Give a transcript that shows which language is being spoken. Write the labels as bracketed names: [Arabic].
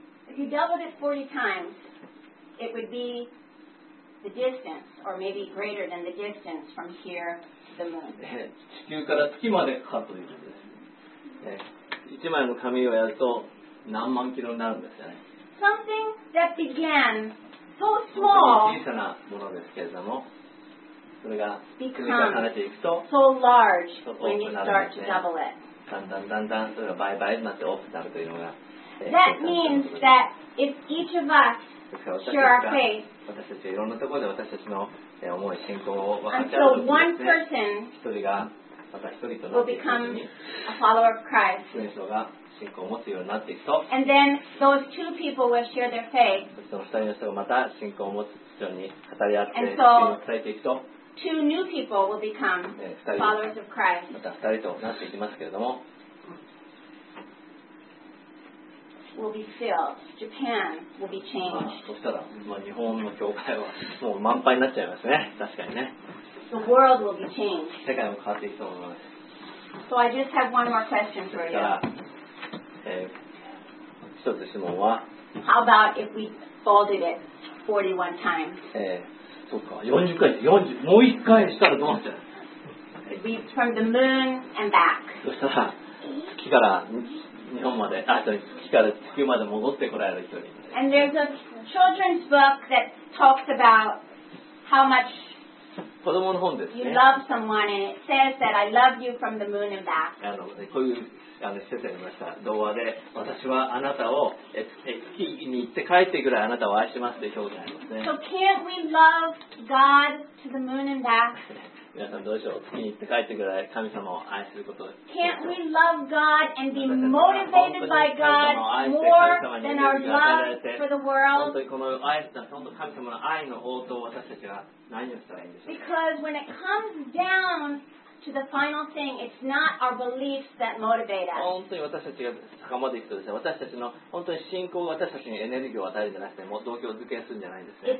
[English] If you doubled it 40 times, it would be... The distance, or maybe greater than the distance from here to the moon. [Japanese] 地球から月までかかるということですね。1枚の紙をやると何万キロになるんですよね。 [English] Something that began so small, [Japanese] 小さなものですけれども、それが積み重ねていくと、 [English] so large when you start to double it. [Japanese] だんだんだんだんそれが倍々になって大きくなるというのが。 [English] That means that if each of us share our faith, [Japanese] 私たちはいろんなところで私たちの思い、信仰を分かち合うと、ね、一人がまた一人となって [English] become a follower of Christ. [Japanese] 信仰が信仰を持つようになっていくと [English] And then those two people will share their faith. [Japanese] その二人の人がまた信仰を持つ人に語り合って [English] And so, [Japanese] 伝えていくと [English] two new people will become followers of Christ. [Japanese] また二人となっていきますけれども [English] Will be filled. Japan will be changed. [Japanese] そしたら、まあ、日本の教会はもう満杯になっちゃいますね。確かにね。 [English] The world will be changed. [Japanese] 世界も変わっていくと思います。 [English] So I just have one more question for you. [Japanese] そしたら、一つ質問は、 [English] How about if we folded it 41 times? [Japanese] そうか、40回、40、もう一回したらどうなっちゃう? [English] It leads from the moon and back. [Japanese] そしたら、月から日本まで、あ、そう。から地球まで戻ってこられる人に。 [English] And there's a children's book that talks about how much [Japanese] 子供の本ですね。 [English] You love someone and it says that I love you from the moon and back. [Japanese] こういう説明しました。童話で私はあなたを月に行って帰ってくらいあなたを愛しますという表現ですね。 [English] So can't we love God to the moon and back? [Japanese] 皆さんどうでしょう。月に行って帰ってくらい神様を愛することです。 [English] Can't we love God and be motivated by God more than our love for the world? [Japanese] 本当にこの愛した本当神様の愛の応答を私たちは何をしたらいいんでしょう。 [English] Because when it comes down to the final thing, it's not our beliefs that motivate us. [Japanese] 本当に私たちが高まっていくとですね、私たちの本当に信仰が私たちにエネルギーを与えるんじゃなくて、もう動機を付けするんじゃないんですね。